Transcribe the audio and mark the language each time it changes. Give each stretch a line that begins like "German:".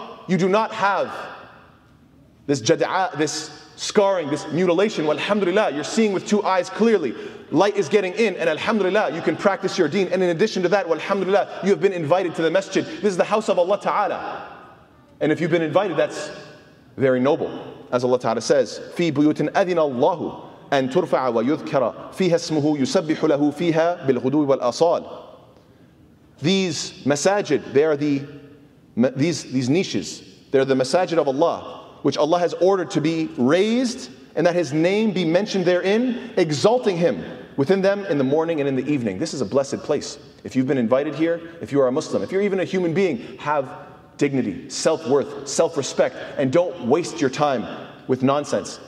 English: You do not have this jada'a, this scarring, this mutilation. Alhamdulillah, you're seeing with two eyes clearly. Light is getting in, and alhamdulillah, you can practice your deen. And in addition to that, alhamdulillah, you have been invited to the masjid. This is the house of Allah Ta'ala. And if you've been invited, that's very noble.
Arabic: As Allah Ta'ala says, فِي بُيُوتٍ أَذِنَ اللَّهُ أَن تُرْفَعَ وَيُذْكَرَ فِيهَا اسْمُهُ يُسَبِّحُ لَهُ فِيهَا بِالْغُدُوِ وَالْأَصَالِ.
English: These masajid, they are these niches, they're the masajid of Allah, which Allah has ordered to be raised, and that His name be mentioned therein, exalting Him within them in the morning and in the evening. This is a blessed place. If you've been invited here, if you are a Muslim, if you're even a human being, have dignity, self-worth, self-respect, and don't waste your time with nonsense.